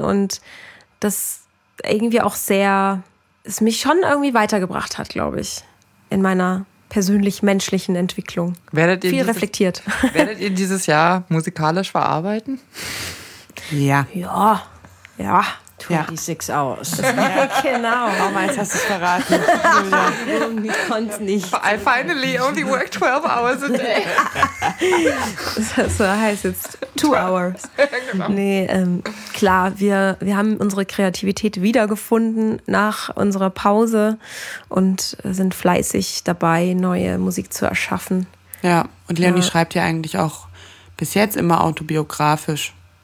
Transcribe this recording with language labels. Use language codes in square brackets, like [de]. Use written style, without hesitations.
[de] Und das irgendwie auch sehr, es mich schon irgendwie weitergebracht hat, glaube ich, in meiner persönlich-menschlichen Entwicklung. Werdet ihr viel reflektiert. Werdet ihr dieses Jahr musikalisch verarbeiten? Ja. Ja. Ja. 26 ja. aus. Genau. Warum hast du es verraten? Ich konnte nicht. [en] I finally only work 12 hours a day. [de] So heißt es. 2 hours. Genau. Nee, klar, wir haben unsere Kreativität wiedergefunden nach unserer Pause und sind fleißig dabei, neue Musik zu erschaffen. Ja, und Leonie schreibt ja eigentlich auch bis jetzt immer autobiografisch.